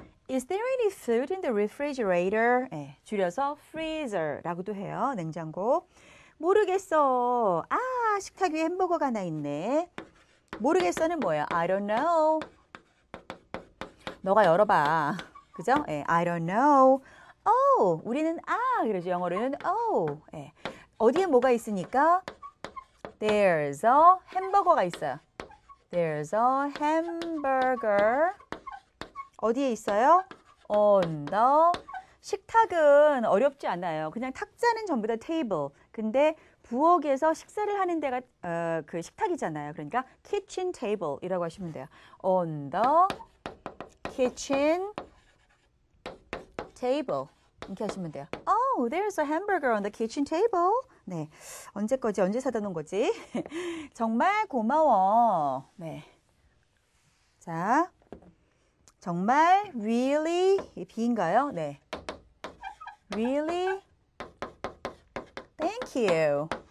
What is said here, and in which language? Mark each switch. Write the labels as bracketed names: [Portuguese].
[English] Is there any food in the refrigerator? [Korean] 네, 줄여서 freezer라고도 해요. 냉장고. 모르겠어. 아, 식탁 위에 햄버거가 하나 있네. 모르겠어는 뭐예요? [English] I don't know. [Korean] 너가 열어봐. 그죠? 네, [English] I don't know. Oh, [Korean] 우리는 아, 그러죠. 영어로는 oh. 네. 어디에 뭐가 있으니까? [English] There's a [Korean] 햄버거가 있어요. [English] There's a hamburger. [Korean] 어디에 있어요? [English] On the [Korean] 식탁은 어렵지 않아요. 그냥 탁자는 전부 다 table. 근데 부엌에서 식사를 하는 데가 그 식탁이잖아요. 그러니까 kitchen table이라고 하시면 돼요. [English] On the kitchen table. [Korean] 이렇게 하시면 돼요. [English] Oh, there's a hamburger on the kitchen table. [Korean] 네. 언제 거지? 언제 사다 놓은 거지? 정말 고마워. 네. 자, 정말 really 비인가요? [English] 네. Really? Thank you.